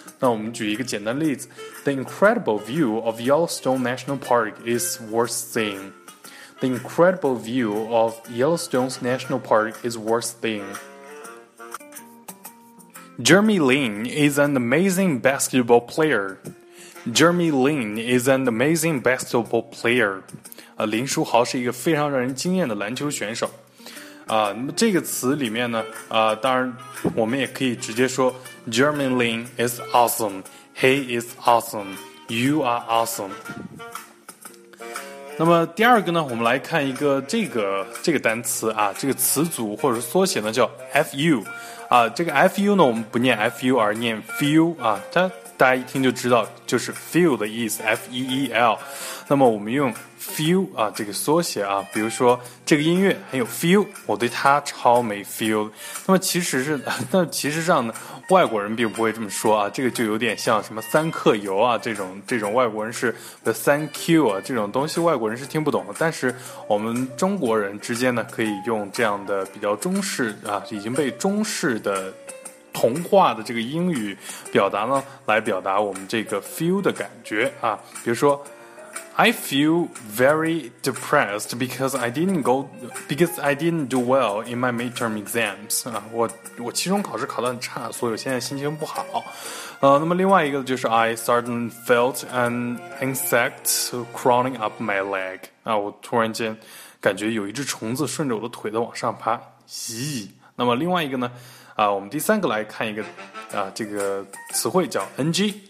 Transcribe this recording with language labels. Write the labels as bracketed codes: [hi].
[zh] 那我们举一个简单例子， [en] The incredible view of Yellowstone National Park is worth seeing。 The incredible view of Yellowstone National Park is worth seeing. Jeremy Lin is an amazing basketball player. Jeremy Lin is an amazing basketball player. [zh] 林书豪是一个非常让人惊艳的篮球选手。那么这个词里面呢，当然我们也可以直接说 [en] Jeremy Lin is awesome. He is awesome. You are awesome. [zh] 那么第二个呢，我们来看一个这个单词啊，这个词组或者缩写呢叫 FU。这个 FU 呢，我们不念 FU 而念 FU 啊，它大家一听就知道就是 feel 的意思 F-E-E-L。那么我们用 feel 啊这个缩写啊，比如说这个音乐很有 feel， 我对它超没 feel。那么其实上呢，外国人并不会这么说啊，这个就有点像什么三克油啊这种外国人是 the thank you 啊，这种东西外国人是听不懂的，但是我们中国人之间呢可以用这样的比较中式啊，已经被中式的童话的这个英语表达呢，来表达我们这个 feel 的感觉啊。 [en] 比如说 I feel very depressed because I didn't do well in my midterm exams 啊， [zh] 我期中考试考得很差，所以我现在心情不好。那么另外一个就是 [en] I suddenly felt an insect crawling up my leg [zh] 啊，我突然间感觉有一只虫子顺着我的腿的往上爬，咦。那么另外一个呢，我们第三个来看一个这个词汇叫 NG。